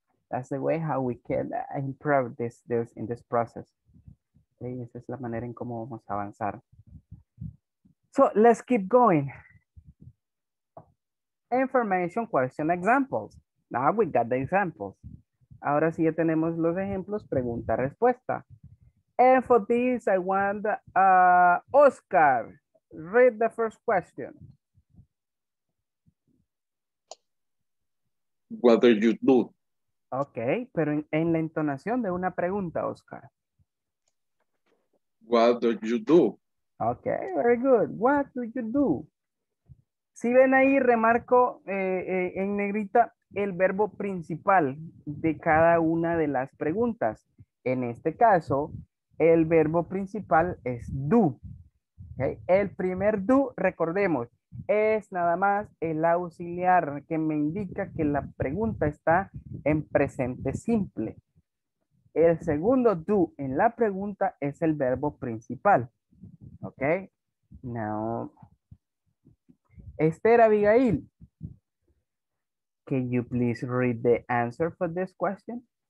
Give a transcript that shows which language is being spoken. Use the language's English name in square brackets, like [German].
[English] That's the way how we can improve this in this process. [Spanish] Okay, esa es la manera en cómo vamos a avanzar. So, let's keep going. [English] Information, question, examples. Now we got the examples. [Spanish] Ahora sí ya tenemos los ejemplos, pregunta, respuesta. [English] And for this, I want Oscar, read the first question. What do you do? [Spanish] Okay, pero en la entonación de una pregunta, Oscar. [English] What do you do? Okay, very good. What do you do? [Spanish] Si ven ahí, remarco en negrita el verbo principal de cada una de las preguntas. En este caso, el verbo principal es do. Okay. El primer do, recordemos, es nada más el auxiliar que me indica que la pregunta está en presente simple. El segundo do en la pregunta es el verbo principal. ¿Ok? [English] Now, Esther Abigail, can you please read the answer for this question?